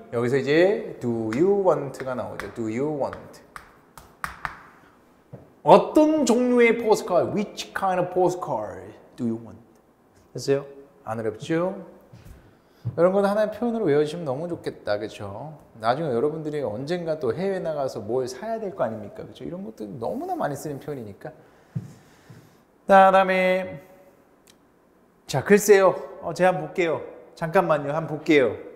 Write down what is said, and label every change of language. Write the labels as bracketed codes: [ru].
[ko] 여기서 이제 [en] Do you want? [ko] 가 나오죠. Do you want? 어떤 종류의 postcard? [en] Which kind of postcard do you want? [ko] 됐어요? 안 어렵죠? 이런 건 하나의 표현으로 외워주시면 너무 좋겠다. 그렇죠? 나중에 여러분들이 언젠가 또 해외 나가서 뭘 사야 될 거 아닙니까? 그렇죠? 이런 것도 너무나 많이 쓰는 표현이니까. 자, 다음에 자, 글쎄요. 제가 한번 볼게요. 잠깐만요. 한번 볼게요.